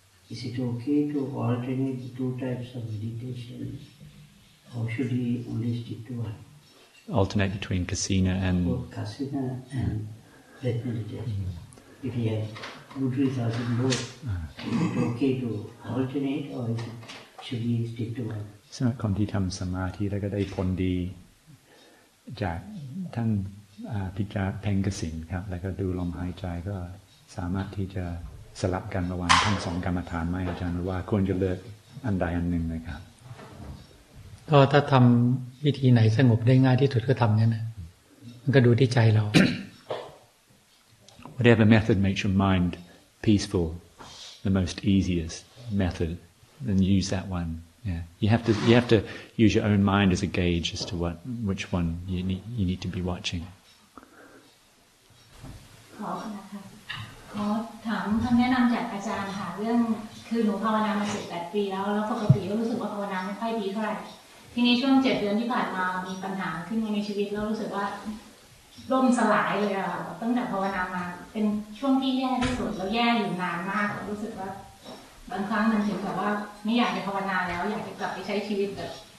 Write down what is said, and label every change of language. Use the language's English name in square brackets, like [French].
[English] Is it okay to alternate the two types of meditation? Or should we only stick to one? Alternate between kasina and... Kasina and breath meditation. Mm. If you have good results in both, is it okay to alternate or is it, should we stick to one? [Thai] So, คนที่ทำสมาธิแล้วก็ได้ผลดีจากท่านพิจารณาเพ่งกสิณครับแล้วก็ดูลมหายใจก็สามารถที่จะสลับกันระหว่างทั้งสองกรรมฐานไหมอาจารย์ว่าควรจะเลือกอันใดอันหนึ่งนะครับ ก็ถ้าทำวิธีไหนสงบได้ง่ายที่สุดก็ทำนั่นนะมันก็ดูที่ใจเรา [English] whatever method makes your mind peaceful the most easiest method then use that one yeah you have to use your own mind as a gauge as to what which one you need to be watching [Thai] ขอนะคะขอถามคำแนะนำจากอาจารย์ค่ะเรื่องคือหนูภาวนามา18ปีแล้วแล้วปกติก็รู้สึกว่าภาวนาไม่ค่อยดีเท่าไหร่ทีนี้ช่วง7เดือนที่ผ่านมามีปัญหาขึ้นมาในชีวิตแล้วรู้สึกว่าล่มสลายเลยอ่ะตั้งแต่ภาวนามาเป็นช่วงที่แย่ที่สุดแล้วแย่อยู่นานมากรู้สึกว่าบางครั้งมันถึงกับว่าไม่อยากจะภาวนาแล้วอยากจะกลับไปใช้ชีวิตแบบ